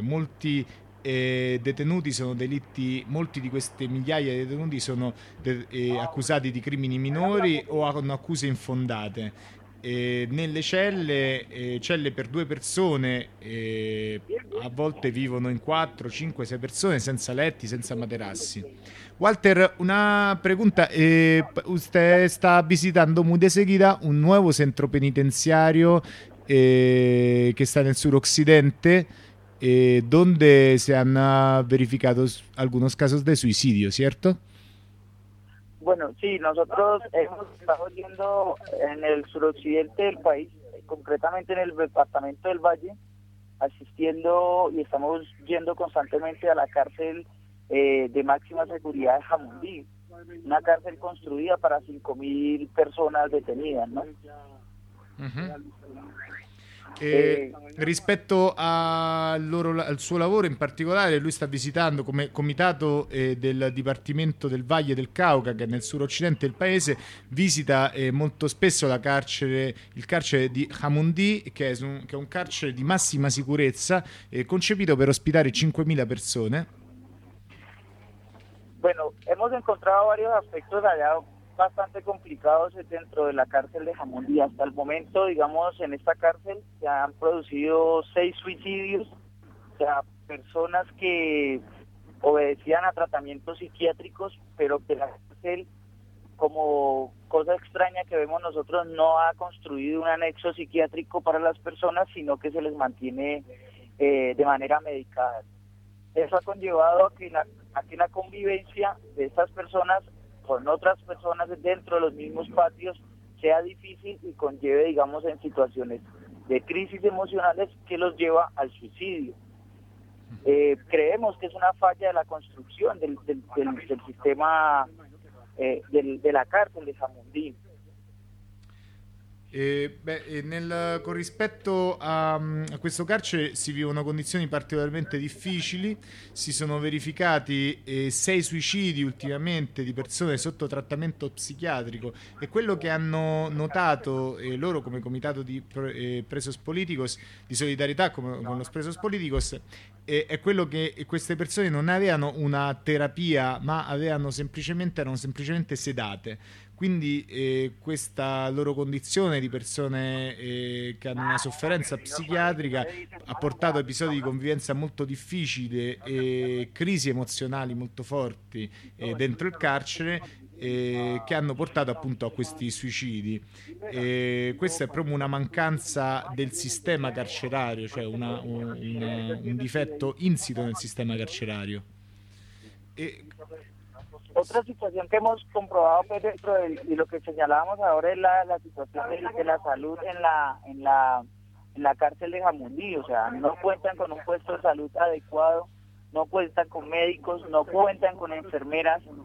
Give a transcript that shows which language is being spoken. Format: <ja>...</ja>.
<it>Molti detenuti sono delitti, molti di queste migliaia di detenuti sono accusati di crimini minori o hanno accuse infondate. Nelle celle per 2 persone, a volte vivono in 4, 5, 6 persone senza letti, senza materassi.</it> <es>Walter, una pregunta. Usted está visitando muy de seguida un nuevo centro penitenciario que está en el suroccidente, donde se han verificado algunos casos de suicidio, ¿cierto? Bueno, sí, nosotros hemos estado viendo en el suroccidente del país, concretamente en el departamento del Valle, asistiendo y estamos yendo constantemente a la cárcel de máxima seguridad de Jamundí, una cárcel construida para 5.000 personas detenidas, ¿no? Uh-huh.</es> <it>Rispetto a loro, al suo lavoro in particolare, lui sta visitando come comitato del Dipartimento del Valle del Cauca, che è nel suroccidente del paese, visita molto spesso il carcere di Jamundí, che è un carcere di massima sicurezza, concepito per ospitare 5.000 persone.</it> <es>Bueno, hemos encontrado varios aspectos allá bastante complicados dentro de la cárcel de Jamundí. Hasta el momento, digamos, en esta cárcel se han producido 6 suicidios, o sea, personas que obedecían a tratamientos psiquiátricos, pero que la cárcel, como cosa extraña que vemos nosotros, no ha construido un anexo psiquiátrico para las personas, sino que se les mantiene de manera medicada. Eso ha conllevado a que la convivencia de estas personas con otras personas dentro de los mismos patios sea difícil y conlleve, digamos, en situaciones de crisis emocionales que los lleva al suicidio. Creemos que es una falla de la construcción del sistema de la cárcel de Jamundí.</es> <it>Nel con rispetto a questo carcere si vivono condizioni particolarmente difficili, si sono verificati 6 suicidi ultimamente di persone sotto trattamento psichiatrico, e quello che hanno notato loro come comitato di Presos Políticos, di solidarietà con los Presos Políticos, è quello che queste persone non avevano una terapia, ma erano semplicemente sedate. Quindi questa loro condizione di persone che hanno una sofferenza psichiatrica ha portato a episodi di convivenza molto difficili e crisi emozionali molto forti dentro il carcere, che hanno portato appunto a questi suicidi. Questa è proprio una mancanza del sistema carcerario, cioè un difetto insito nel sistema carcerario.</it> <es>Otra situación que hemos comprobado, pues, dentro de lo que señalábamos ahora, es la situación de la salud en la cárcel de Jamundí. O sea, no cuentan con un puesto de salud adecuado, no cuentan con médicos, no cuentan con enfermeras.</es>